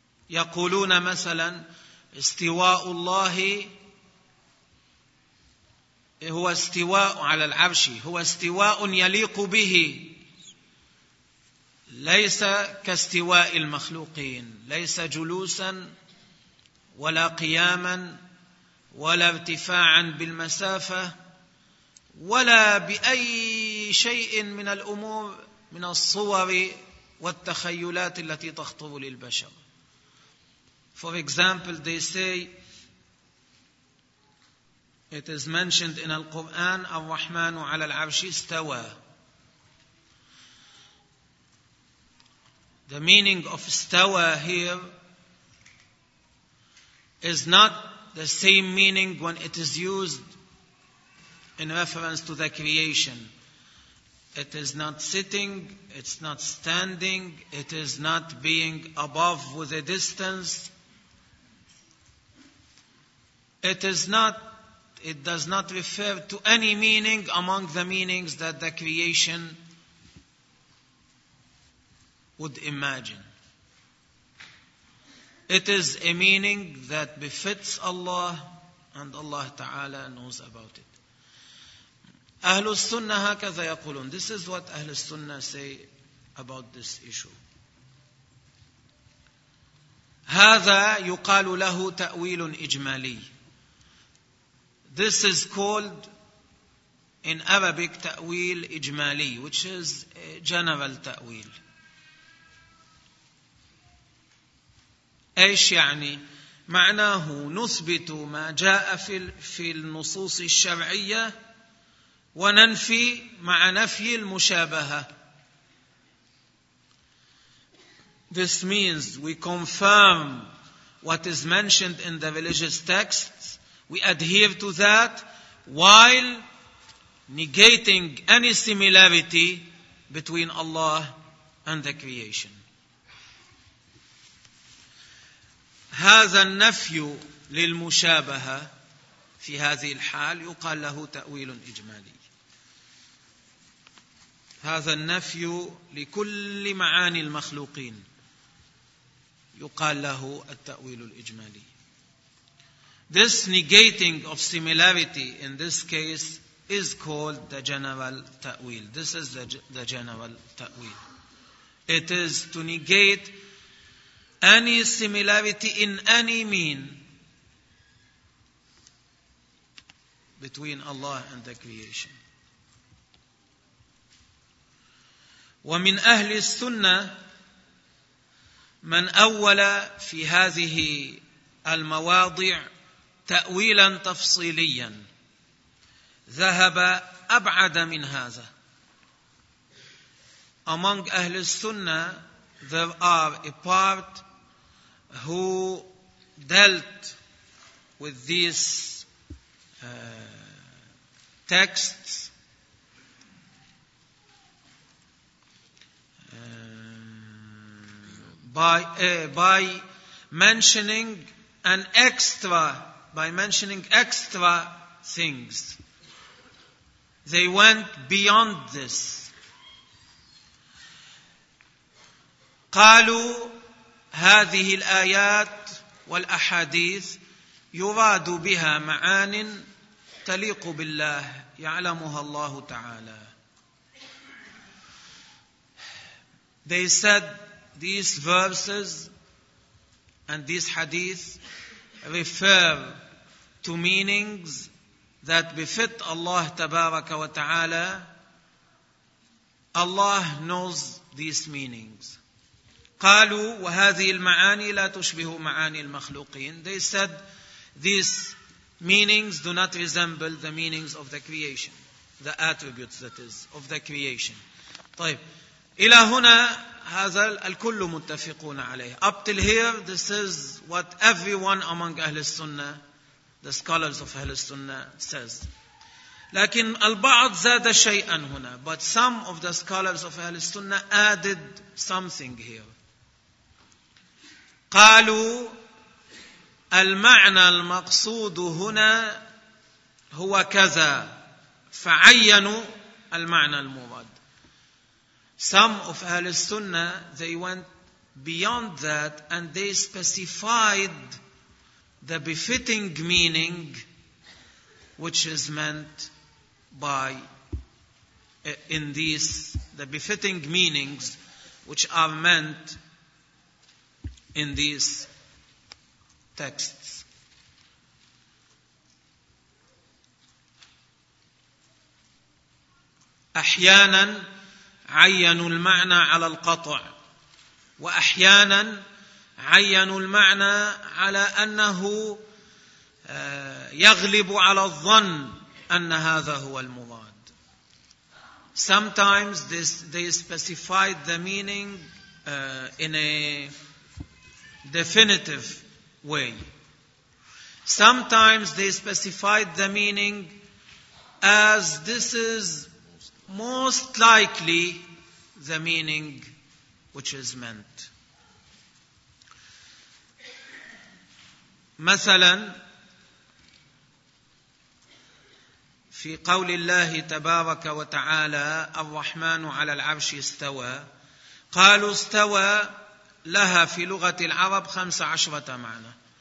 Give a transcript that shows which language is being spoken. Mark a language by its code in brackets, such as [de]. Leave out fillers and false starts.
[ar] يقولون مثلا استواء الله هو استواء على العرش، هو استواء يليق به، ليس كاستواء المخلوقين، ليس جلوسا ولا قياما ولا ارتفاعا بالمسافة ولا بأي شيء من الأمور من الصور والتخيلات التي تخطر للبشر. [en] For example, they say it is mentioned in Al-Quran, [ar] الرحمن على العرش استوى. [en] The meaning of استوى here is not the same meaning when it is used in reference to the creation. It is not sitting, it's not standing, it is not being above with a distance. It does not refer to any meaning among the meanings that the creation would imagine. It is a meaning that befits Allah, and Allah Ta'ala knows about it. [ar] أهل السنة هكذا يقولون. [en] This is what أهل السنة say about this issue. [ar] هذا يقال له تأويل إجمالي. [en] This is called in Arabic تأويل إجمالي, which is general تأويل. [ar] إيش يعني؟ معناه نثبت ما جاء في النصوص الشرعية وننفي مع نفي المشابهة. [en] This means we confirm what is mentioned in the religious texts. We adhere to that while negating any similarity between Allah and the creation. [ar] هذا النفي للمشابهة في هذه الحال يقال له تأويل إجمالي. هذا النفي لكل معاني المخلوقين يقال له التأويل الإجمالي. [en] This negating of similarity in this case is called the general ta'wil. This is the general ta'wil. It is to negate any similarity in any mean between Allah and the creation. [ar] ومن أهل السنة من أول في هذه المواضع تأويلا تفصيليا ذهب أبعد من هذا. [en] Among أهل السنة there are a part who dealt with these texts by mentioning an extra, by mentioning extra things. They went beyond this. [ar] قالوا هذه الآيات والأحاديث يراد بها معان تليق بالله يعلمها الله تعالى. [en] They said these verses and these hadith refer to meanings that befit Allah Tabaraka wa Ta'ala. Allah knows these meanings. [ar] قالوا وهذه المعاني لا تشبه معاني المخلوقين. [en] They said these meanings do not resemble the meanings of the creation, the attributes that is of the creation. [ar] طيب إلى هنا هذا الكل متفقون عليه. [en] Up till here, this is what everyone among أهل السنة, the scholars of أهل السنة says. [ar] لكن البعض زاد شيئا هنا. [en] But some of the scholars of أهل السنة added something here. [ar] قالوا المعنى المقصود هنا هو كذا. فعينوا المعنى المراد. [en] Some of Ahl al-Sunnah, they went beyond that and they specified the befitting meaning which is meant by, in these, the befitting meanings which are meant in these texts. [ar] أحياناً عينوا المعنى على القطع وأحيانا عينوا المعنى على أنه يغلب على الظن أن هذا هو المراد. [en] Sometimes they specified the meaning in a definitive way. Sometimes they specified the meaning as this is most likely the meaning which is meant. [ar] مثلا في قول الله تبارك وتعالى الرحمن على العرش استوى قالوا استوى لها في لغة العرب 15 معنى.